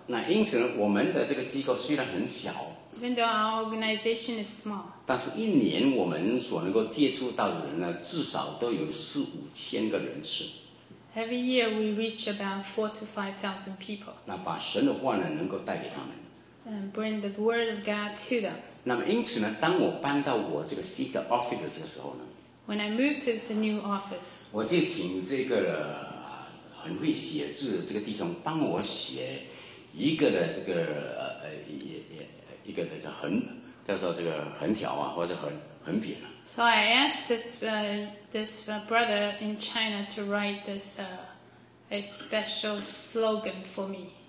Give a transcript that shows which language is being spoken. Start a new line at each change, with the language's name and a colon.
Chinese: 那因此呢，我们的这个机构虽然很小
English: Even though our organization is small.
Chinese: 但是一年我们所能够接触到的人呢，至少都有四五千个人次。
English: Every year we reach about 4,000 to 5,000 people.
Chinese: 那把神的话呢，能够带给他们。
English: And bring the word of God to them.
Chinese: 那么因此呢，当我搬到我这个新的 office 的时候呢
English: ，When I moved to the new office,
Chinese: 我就请这个很会写字的这个弟兄帮我写一个的这个一个这个横叫做这个横条啊，或者横扁啊。
English: So I asked this brother in China to write this a special slogan for me.